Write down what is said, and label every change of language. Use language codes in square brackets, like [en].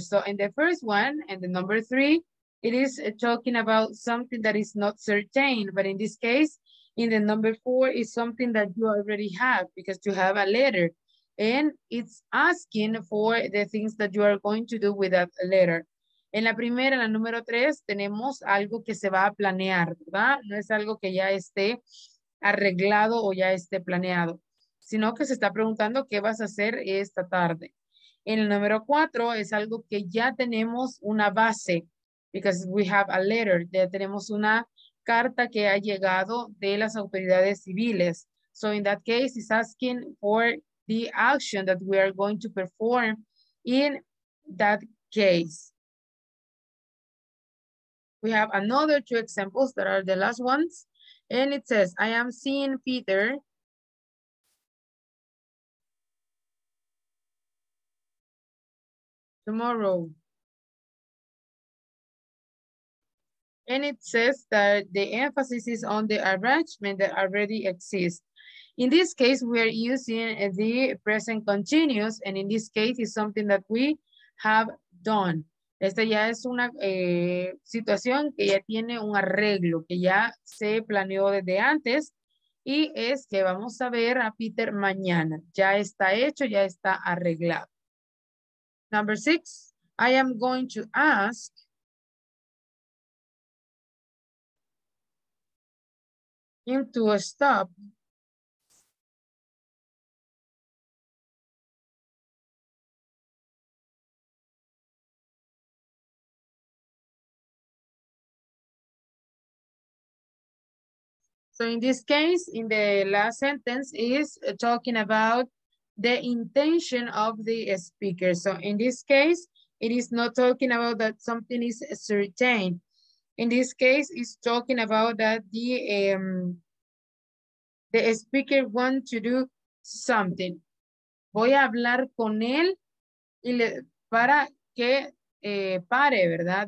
[en] So in the first one and the number three, it is talking about something that is not certain. But in this case, in the number four is something that you already have because you have a letter. And it's asking for the things that you are going to do with that letter. [es] En la primera, la número tres, tenemos algo que se va a planear, ¿verdad? No es algo que ya esté arreglado o ya esté planeado, sino que se está preguntando qué vas a hacer esta tarde. En el número cuatro, es algo que ya tenemos una base, [en] because we have a letter, [es] ya tenemos una carta que ha llegado de las autoridades civiles. [en] So in that case, it's asking for the action that we are going to perform in that case. We have another two examples that are the last ones. And it says, I am seeing Peter. Tomorrow. And it says that the emphasis is on the arrangement that already exists. In this case, we are using the present continuous, and in this case, it's something that we have done. [es] Esta ya es una situación que ya tiene un arreglo, que ya se planeó desde antes, y es que vamos a ver a Peter mañana. Ya está hecho, ya está arreglado. [en] Number six, I am going to ask. Him to stop. So in this case, in the last sentence is talking about the intention of the speaker. So in this case, it is not talking about that something is certain. In this case, it's talking about that the speaker wants to do something. [es] Voy a hablar con él y le, para que pare, ¿verdad?